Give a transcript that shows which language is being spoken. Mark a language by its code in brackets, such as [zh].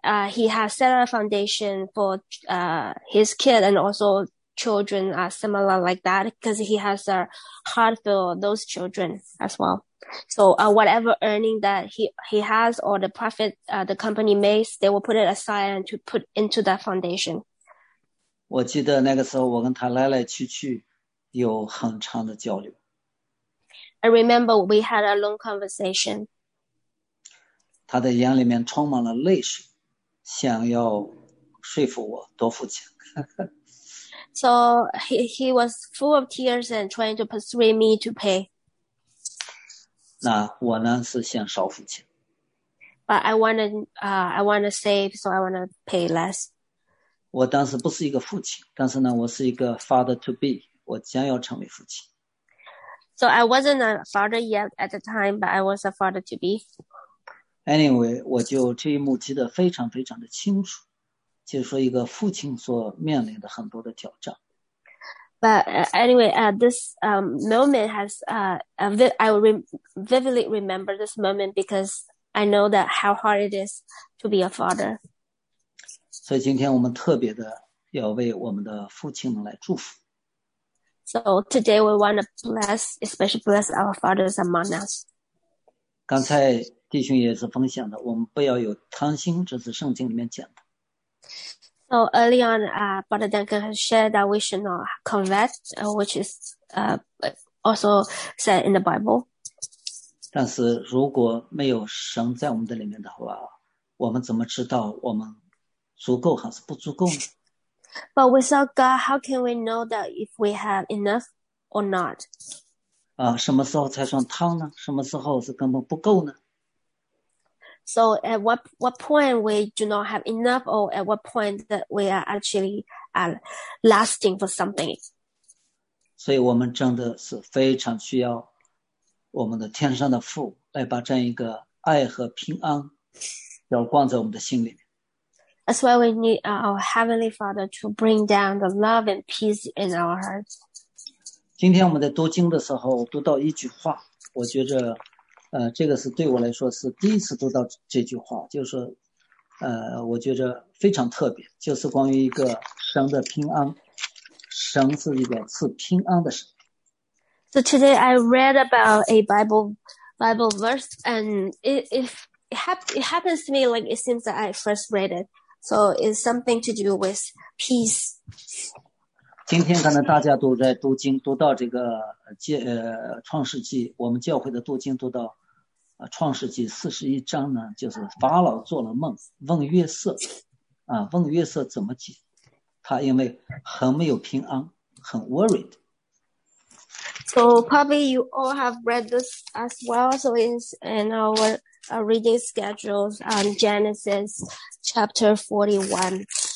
[en] He has set a foundation for his kid and also children are similar like that because he has a heart for those children as well. So whatever earning that he has or the profit the company makes, they will put it aside and to put into that foundation. [zh] 我记得那个时候我跟他来来去去有很长的交流。 [en] I remember we had a long conversation. [zh] 他的眼里面充满了泪水。想要说服我多付钱。 [en] So he was full of tears and trying to persuade me to pay. [zh] 那我呢是想少付钱。 [en] But I wanna save, so I wanna pay less. [zh] 我当时不是一个父亲，但是呢，我是一个 [en] father to be， [zh] 我将要成为父亲。 [en] So I wasn't a father yet at the time, but I was a father to be. [zh] Anyway, 我就这一幕记得非常非常的清楚，就是说一个父亲所面临的很多的挑战。 [en] But anyway, this moment has, I will vividly remember this moment because I know that how hard it is to be a father. [zh] 所以今天我们特别的要为我们的父亲们来祝福。 [en] So today we want to bless, especially bless our fathers among us. [zh] 刚才弟兄也是分享的，我们不要有贪心，这是圣经里面讲的。 [en] So early on, Brother Duncan has shared that we should not covet, which is also said in the Bible. [zh] 但是如果没有神在我们的里面的话，我们怎么知道我们足够还是不足够呢？ [en] But without God, how can we know that if we have enough or not? [zh] 什么时候才算贪呢？什么时候是根本不够呢？ [en] So at what point we do not have enough, or at what point that we are actually lasting for something? [zh] 所以我们真的是非常需要我们的天上的父来把这样一个爱和平安要灌在我们的心里面。 [en] That's why we need our Heavenly Father to bring down the love and peace in our hearts. [zh] 今天我们在读经的时候读到一句话，我觉着这个是对我来说是第一次读到这句话，就是说我觉得非常特别，就是关于一个神的平安，神是一个赐平安的神。 [en] So today I read about a Bible verse, and it happens to me like it seems that I first read it. So it's something to do with peace. [zh] 今天可能大家都在读经，读到这个创世纪，我们教会的读经读到创世纪四十一章呢，就是法老做了梦，问约瑟，问约瑟怎么解，他因为很没有平安，很 worried。 [en] So probably you all have read this as well. So it's in our reading schedules, Genesis chapter 41.